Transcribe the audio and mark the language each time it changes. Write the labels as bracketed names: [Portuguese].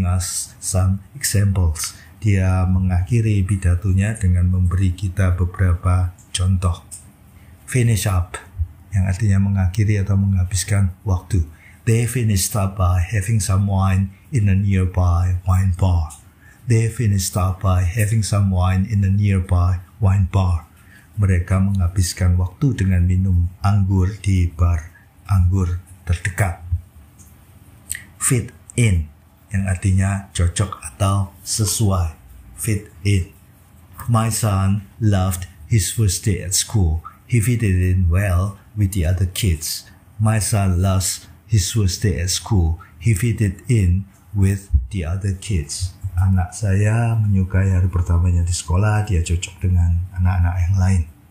[English] He finished off the speech by giving us some examples. [Indonesian] Dia mengakhiri pidatonya dengan memberi kita beberapa contoh. Finish up, yang artinya mengakhiri atau menghabiskan waktu. [English] They finished up by having some wine in a nearby wine bar. [Indonesian] Mereka menghabiskan waktu dengan minum anggur di bar anggur terdekat. Fit in, yang artinya cocok atau sesuai. [English] Fit in. My son loved his first day at school. He fitted in well with the other kids. My son loves his first day at school. He fitted in with the other kids. [Indonesian] Anak saya menyukai hari pertamanya di sekolah. Dia cocok dengan anak-anak yang lain.